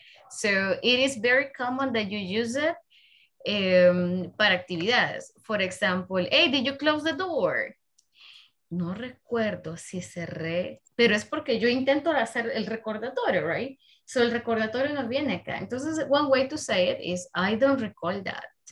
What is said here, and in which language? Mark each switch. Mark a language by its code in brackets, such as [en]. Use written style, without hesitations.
[en] So it is very common that you use it para actividades. For example, hey, did you close the door? [es] No recuerdo si cerré, pero es porque yo intento hacer el recordatorio, right? So el recordatorio no viene acá. [en] Entonces, one way to say it is, I don't recall that.